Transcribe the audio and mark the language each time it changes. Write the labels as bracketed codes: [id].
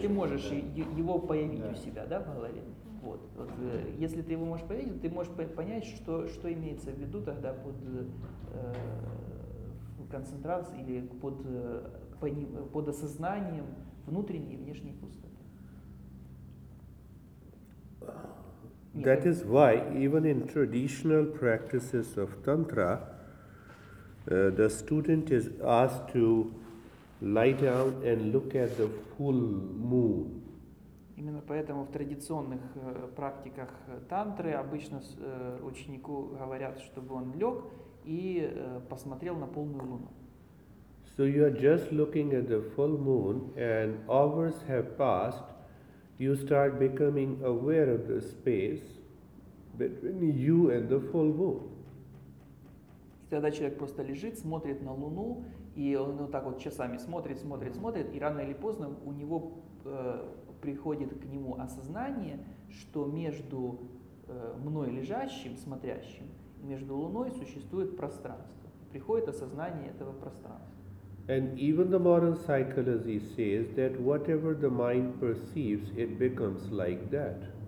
[ru] ты можешь да. его появить да. у себя, да, в голове. Вот. Вот, если ты его можешь появить, ты можешь понять, что имеется в виду тогда под концентрацией или под осознанием внутренней и внешней пустоты. [en] That is why even in traditional practices of Tantra, the student is asked to lie down and look at the full moon. [ru] Именно поэтому в традиционных практиках тантры обычно ученику говорят, чтобы он лег и посмотрел на полную луну. [en] So you are just looking at the full moon, and hours have passed. You start becoming aware of the space between you and the full moon. [ru] Тогда человек просто лежит, смотрит на Луну, и он вот так вот часами смотрит, смотрит, смотрит, и рано или поздно у него приходит к нему осознание, что между мной лежащим, смотрящим, и между Луной существует пространство. Приходит осознание этого пространства. [en] And even the modern psychology says that whatever the mind perceives, it becomes like that.